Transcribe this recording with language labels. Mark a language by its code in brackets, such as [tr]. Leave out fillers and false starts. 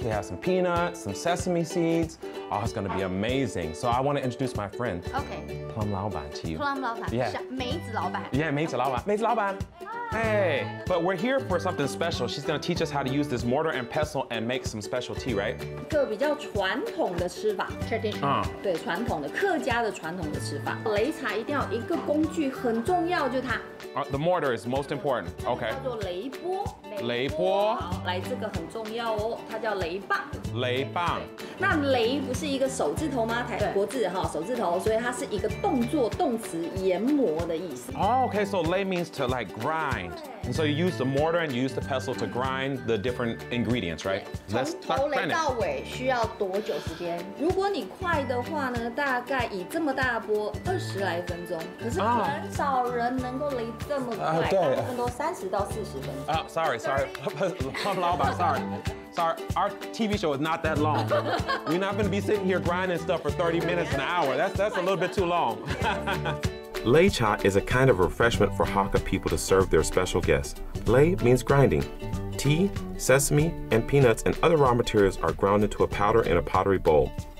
[en] We have some peanuts, some sesame seeds. Oh, it's gonna be amazing. So I want to introduce my friend, Plum Lao Ban, to you. Plum Lao Ban. Yeah. Mei Zi Lao Ban. Hey, but we're here for something special. She's gonna teach us how to use this mortar and pestle and make some special tea, right? [zh] 一个比较传统的吃法 [en] ，traditional， [zh] 对，传统的客家的传统的吃法。擂茶一定要一个工具很重要，就它。 [en] The mortar is most important. Okay. [zh] 叫做擂钵。擂钵。好，来这个很重要哦，它叫擂棒。擂棒。那擂不是一个手字头吗？台国字哈，手字头，所以它是一个动作动词，研磨的意思。 [en] Oh, okay, so lay means to like grind. And so you use the mortar and you use the pestle to grind the different ingredients, right? Let's start grinding. [zh] 从头擂到尾需要多久时间？如果你快的话呢，大概以这么大的波，20来分钟。可是很少人能够擂这么快，大部分都30到40分钟。 [en] Sorry, 老板，sorry. Sorry, our TV show is not that long. We're not going to be sitting here grinding stuff for 30 minutes an hour. That's a little bit too long. Lei cha is a kind of refreshment for Hakka people to serve their special guests. Lei means grinding. Tea, sesame, and peanuts and other raw materials are ground into a powder in a pottery bowl.